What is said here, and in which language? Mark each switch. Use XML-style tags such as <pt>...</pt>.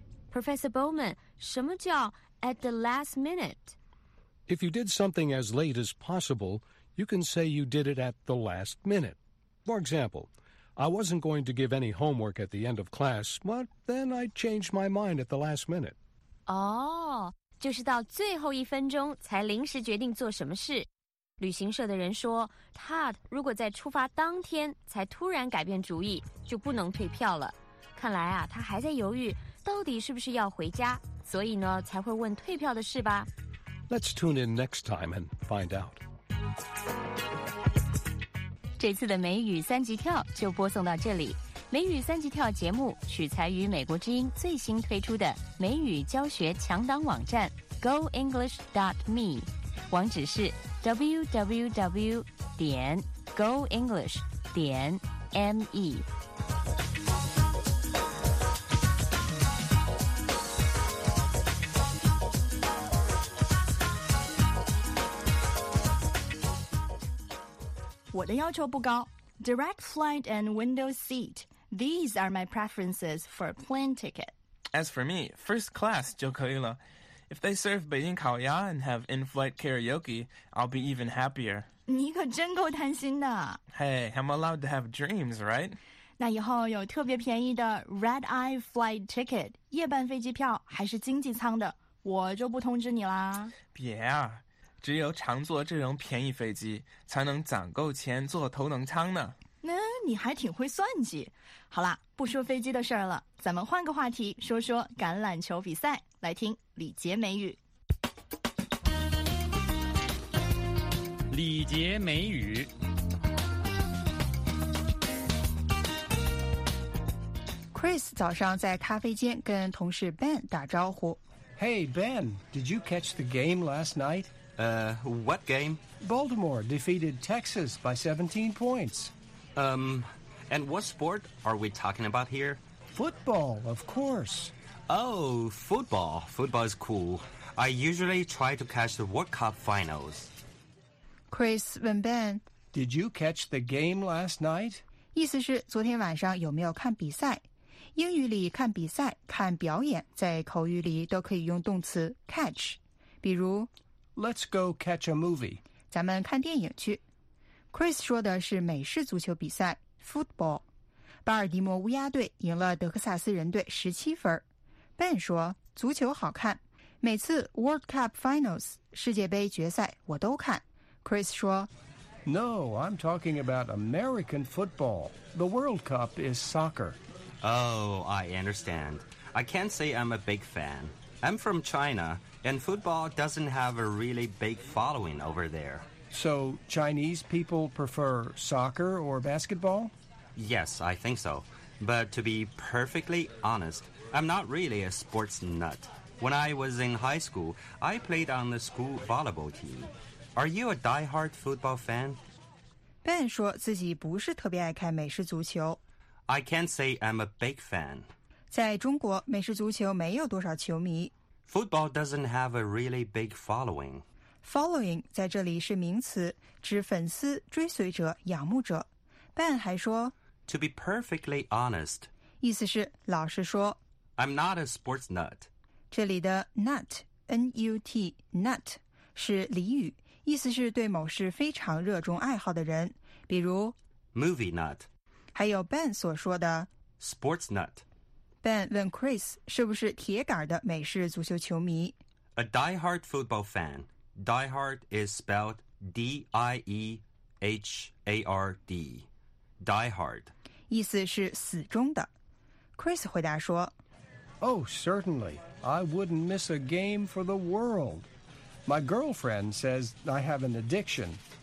<en>Professor Bowman,</en> <zh>什么叫</zh> <en>at the last minute? If you did something as late as possible, you can say you did it at the last minute. For example, I wasn't going to give any homework at the end of class, but then I changed my mind at the last minute.</en> <zh>哦、oh, ，就是到最后一分钟才临时决定做什么事。旅行社的人说 ，Todd 如果在出发当天才突然改变主意，就不能退票了。看来啊，他还在犹豫到底是不是要回家，所以呢才会问退票的事吧。</zh> <en>Let's tune in next time and find out.</en> <zh>这次的美语三级跳就播送到这里。美语三级跳节目取材于美国之音最新推出的美语教学强档网站 GoEnglish.me， 网址是。</zh> <en>www.goenglish.me What do you want to do? Direct flight and window seat. These are my preferences for a plane ticket. As for me, first class</en> <zh>就可以了。</zh> <en>If they serve 北京烤鸭 and have in-flight karaoke, I'll be even happier.</en> <zh>你可真够贪心的。</zh> <en>Hey, I'm allowed to have dreams, right?</en> <zh>那以后有特别便宜的</zh> <en>red-eye flight ticket,</en> <zh>夜班飞机票还是经济舱的,我就不通知你啦。别啊,只有常坐这种便宜飞机,才能攒够钱坐头等舱呢。那你还挺会算计。好啦,不说飞机的事儿了,咱们换个话题,说说橄榄球比赛。来听李杰美语。李杰美语。 Chris 早上在咖啡间跟同事 Ben 打招呼。</zh> <en>Hey, Ben, did you catch the game last night? What game? Baltimore defeated Texas by 17 points. And what sport are we talking about here? Football, of course. Oh, football. Football is cool. I usually try to catch the World Cup finals.</en> <zh>Chris 问 Ben,</zh> <en>Did you catch the game last night?</en> <zh>意思是昨天晚上有没有看比赛。英语里看比赛、看表演在口语里都可以用动词 catch。比如</zh> <en>Let's go catch a movie.</en> <zh>咱们看电影去。 Chris 说的是美式足球比赛 ,football。巴尔的摩乌鸦队赢了德克萨斯人队17分。 Ben 说足球好看每次 World Cup Finals 世界杯决赛我都看 Chris 说</zh> <en>No, I'm talking about American football The World Cup is soccer Oh, I understand I can't say I'm a big fan I'm from China And football doesn't have a really big following over there So Chinese people prefer soccer or basketball? Yes, I think so But to be perfectly honestI'm not really a sports nut. When I was in high school, I played on the school volleyball team. Are you a die-hard football fan?</en> <zh>Ben 说自己不是特别爱看美式足球。</zh> <en>I can't say I'm a big fan.</en> <zh>在中国，美式足球没有多少球迷。</zh> <en>Football doesn't have a really big following.</en> <zh>Following 在这里是名词，指粉丝、追随者、仰慕者。Ben 还说</zh> <en>To be perfectly honest.</en> <zh>意思是老实说。</zh> <en>I'm not a sports nut.</en> <zh>这里的 nut, N-U-T, nut, 是俚语，意思是对某事非常热衷爱好的人，比如</zh> <en>movie nut.</en> <zh>还有 Ben 所说的</zh> <en>sports nut.</en> <zh>Ben 问 Chris 是不是铁杆的美式足球球迷。</zh> <en>A diehard football fan. Diehard is spelled D-I-E-H-A-R-D. Diehard.</en> <zh>意思是死忠的。Chris 回答说</zh> <en>Oh, certainly. I wouldn't miss a game for the world. My girlfriend says I have an addiction.</en>